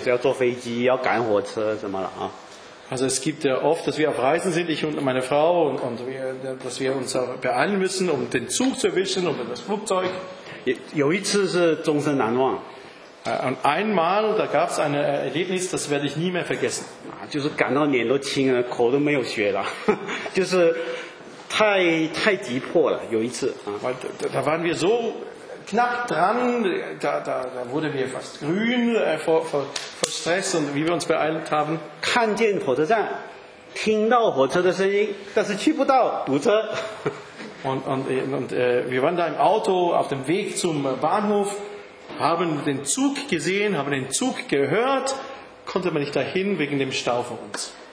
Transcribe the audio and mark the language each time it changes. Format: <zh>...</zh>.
<zh>我有一次啊，就是那么多次，我常我跟我太太有时要坐飞机，要赶火车什么了啊。</zh> <de>Also es gibt ja oft, dass wir auf Reisen sind, ich und meine Frau, und dass wir uns auch beeilen müssen, um den Zug zu erwischen oder das Flugzeug.</de> <zh>有一次是终身难忘。</zh> <de>Und einmal, da gab es ein Erlebnis, das werde ich nie mehr vergessen.</de> <zh>就是赶到脸都青了，口都没有血了，就是太急迫了。有一次，</zh> <de>da waren wir so knapp dran, da wurde mir fast grün vor Stress und wie wir uns beeilt haben.</de> <zh>看见火车站, 听到火车的声音, 但是去不到,</zh> <de>wir waren da im Auto auf dem Weg zum Bahnhof, haben den Zug gesehen, haben den Zug gehört, konnte man nicht dahin wegen dem Stau vor uns.</de>